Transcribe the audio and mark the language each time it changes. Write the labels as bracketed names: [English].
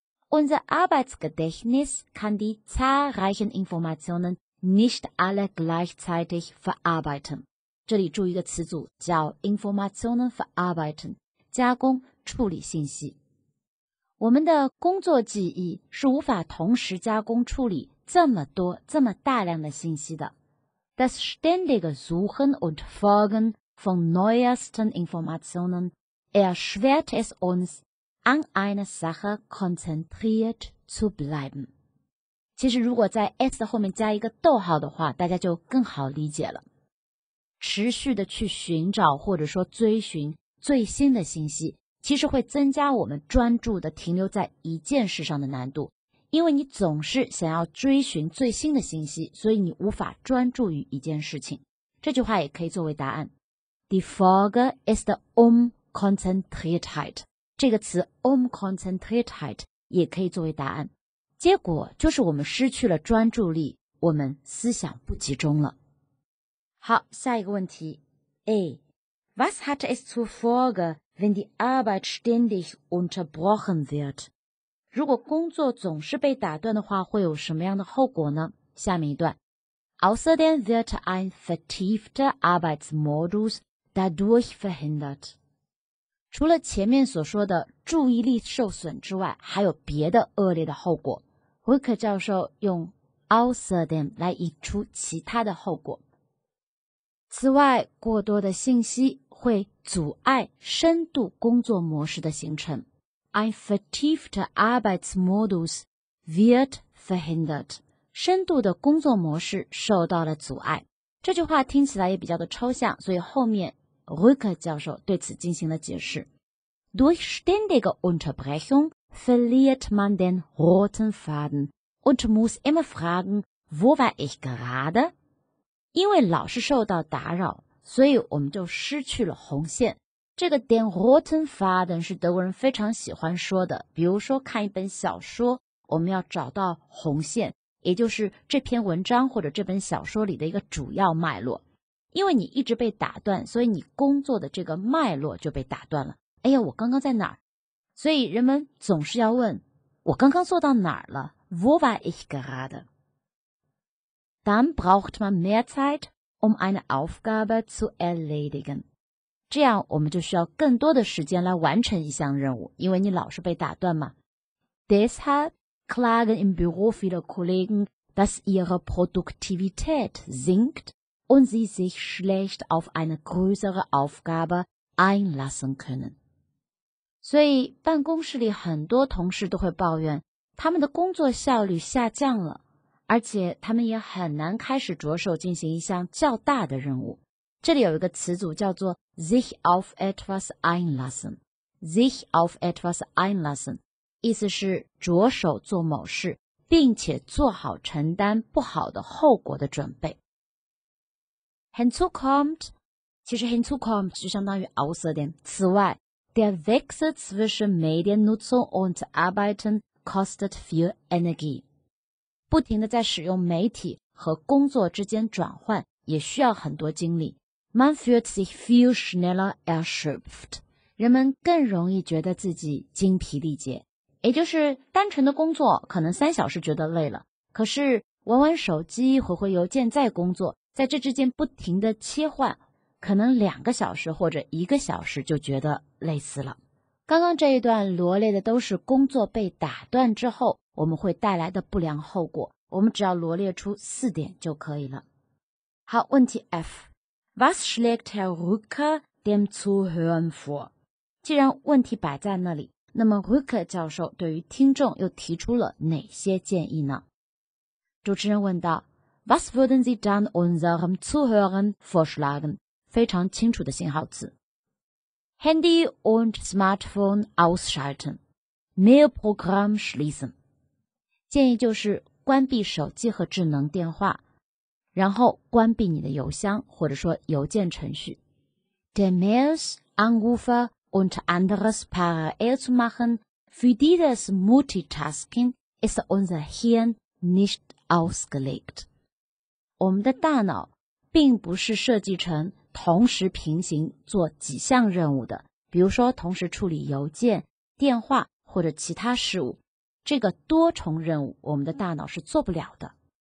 [German] Unser Arbeitsgedächtnis kann die zahlreichen Informationen nicht alle gleichzeitig verarbeiten. [Chinese] 这里注意一个词组叫 [German] Informationen verarbeiten, [Chinese] 加工、处理信息。我们的工作记忆是无法同时加工、处理这么多、这么大量的信息的。 [German] Das ständige Suchen und Folgen,von neuesten Informationen erschwert es uns, an eine Sache konzentriert zu bleiben. [Chinese] 其实如果在 S 后面加一个逗号的话大家就更好理解了。持续的去寻找或者说追寻最新的信息其实会增加我们专注的停留在一件事上的难度。因为你总是想要追寻最新的信息所以你无法专注于一件事情。这句话也可以作为答案。 [German] Die Folge ist Unkonzentriertheit. [Chinese] 这个词 Unkonzentriertheit 也可以作为答案。结果就是我们失去了专注力，我们思想不集中了。好，下一个问题 [German] A. Was hat es zur Folge, wenn die Arbeit ständig unterbrochen wird? [Chinese] 如果工作总是被打断的话，会有什么样的后果呢？下面一段 [German] Außerdem wird ein vertiefter Arbeitsmodus dadurch verhindert. [Chinese] 除了前面所说的注意力受损之外还有别的恶劣的后果。 Wilker 教授用 außerdem 来引出其他的后果。此外过多的信息会阻碍深度工作模式的形成。 [German] Ein vertiefter Arbeitsmodus wird verhindert. [Chinese] 深度的工作模式受到了阻碍。这句话听起来也比较的抽象所以后面Rücker 教授对此进行了解释。 [German] Durch ständige Unterbrechung verliert man den roten Faden und muss immer fragen, wo war ich gerade? [Chinese] 因为老是受到打扰，所以我们就失去了红线。这个 [German] den roten Faden [Chinese] 是德国人非常喜欢说的，比如说看一本小说，我们要找到红线，也就是这篇文章或者这本小说里的一个主要脉络。因为你一直被打断，所以你工作的这个脉络就被打断了。哎呀，我刚刚在哪儿？所以人们总是要问，我刚刚做到哪儿了？ [German] Wo war ich gerade? Dann braucht man mehr Zeit, um eine Aufgabe zu erledigen. [Chinese] 这样我们就需要更多的时间来完成一项任务，因为你老是被打断嘛。 [German] Deshalb klagen im Büro viele Kollegen, dass ihre Produktivität sinkt und sie sich schlecht auf eine größere Aufgabe einlassen können. [Chinese] 所以办公室里很多同事都会抱怨他们的工作效率下降了，而且他们也很难开始着手进行一项较大的任务。这里有一个词组叫做 [German] sich auf etwas einlassen， [Chinese] sich auf etwas einlassen 意思是着手做某事，并且做好承担不好的后果的准备。 hinzukommt， 其实 hinzukommt 就相当于 außerdem， 此外。 [German] Der Wechsel zwischen Mediennutzung und Arbeiten kostet viel Energie. [Chinese] 不停地在使用媒体和工作之间转换也需要很多精力。 [German] Man fühlt sich viel schneller erschöpft. [Chinese] 人们更容易觉得自己精疲力竭。也就是单纯的工作可能三小时觉得累了。可是玩玩手机，回回邮件，再工作，在这之间不停地切换，可能两个小时或者一个小时就觉得累死了。刚刚这一段罗列的都是工作被打断之后我们会带来的不良后果，我们只要罗列出四点就可以了。好，问题 [German] F， Was schlägt Herr Rücker dem Zuhören vor？ [Chinese] 既然问题摆在那里，那么 Rücker 教授对于听众又提出了哪些建议呢？主持人问道， [German] Was würden Sie dann unserem Zuhören vorschlagen？ [Chinese] 非常清楚的信号词。 [German] Handy und Smartphone ausschalten. Mail Programm schließen. [Chinese] 建议就是关闭手机和智能电话，然后关闭你的邮箱或者说邮件程序。 [German] Der Mails, Anrufe und anderes parallel zu machen, für dieses Multitasking ist unser Hirn nicht ausgelegt. [Chinese] 我们的大脑并不是设计成同时平行做几项任务的，比如说同时处理邮件、电话或者其他事务，这个多重任务我们的大脑是做不了的。